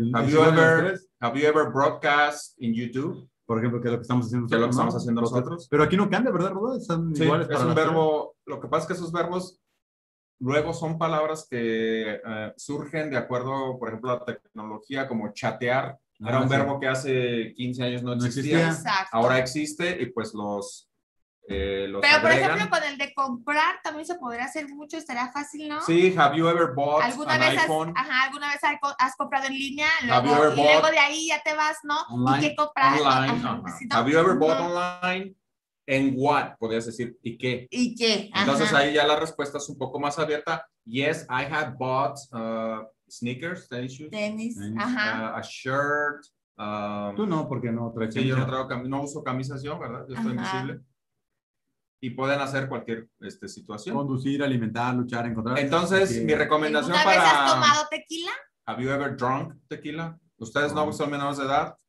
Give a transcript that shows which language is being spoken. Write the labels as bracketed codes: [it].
[en] Have you ever broadcast in YouTube? [es] Por ejemplo, que es lo que estamos haciendo, nosotros. Pero aquí no cambia, ¿verdad, Rodolfo? Lo que pasa es que esos verbos luego son palabras que surgen de acuerdo, por ejemplo, a la tecnología, como chatear. Era un verbo que hace 15 años no existía. Exacto. Ahora existe y pues los Los pero, agregan. Por ejemplo, con el de comprar también se podría hacer mucho, estaría fácil, ¿no? Sí, [en] have you ever bought an iPhone? [es] ¿Alguna vez has comprado en línea? Luego de ahí ya te vas, ¿no? [en] Online, [es] ¿y qué compras? [en] Online, ¿have you ever bought online? ¿En what? [es] Podrías decir, ¿y qué? ¿Y qué? Entonces ahí ya la respuesta es un poco más abierta. [en] Yes, I have bought sneakers, tennis shoes. [es] Tenis. [en] A shirt. [es] Tú no, porque no traes camisa. Sí, yo no uso camisas yo, ¿verdad? Yo estoy invisible. Y pueden hacer cualquier situación. Conducir, alimentar, luchar, encontrar. Entonces, mi recomendación para... ¿Alguna vez has tomado tequila? [en] ¿Have you ever drunk tequila? [es] Ustedes no son menores de edad.